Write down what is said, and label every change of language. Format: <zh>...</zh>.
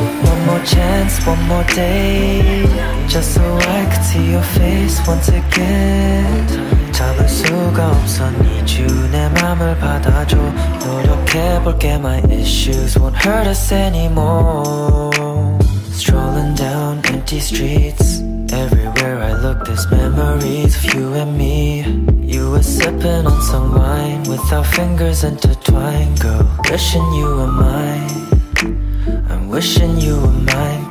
<en>One more chance, one more day, just so I could see your face once again.</en> <ko>참을 수가 없어</ko> <en>need you</en> <ko>내 맘을 받아줘. 노력해볼게</ko> <en>my issues won't hurt us anymore. Strolling down empty streets, everywhere I look there's memories of you and me. You were sipping on some wine with our fingers intertwined. Girl, wishing you were mine, I'm wishing you were mine.</en>